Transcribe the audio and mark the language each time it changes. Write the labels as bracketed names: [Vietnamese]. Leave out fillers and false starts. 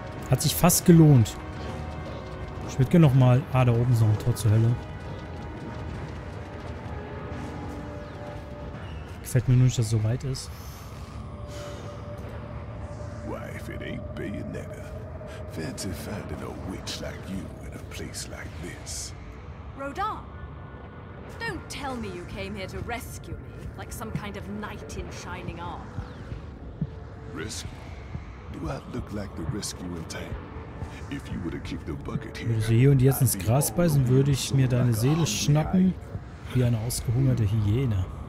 [German] Hat sich fast gelohnt. Ich würde gerne nochmal. Ah, da oben ist noch ein Tor zur Hölle. Gefällt mir nur nicht, dass es so weit ist. [English] Wife, it ain't Bayonetta. Fancy finding a witch like you in a place like this. Rodan, don't tell me you came here to rescue me, like some kind of knight in shining armor. Rescue? Do I look like the rescuing type? If you would have kicked the bucket here, [German] würde sie hier und jetzt ins Gras beißen, würde ich mir deine Seele schnappen, wie eine ausgehungerte Hyäne.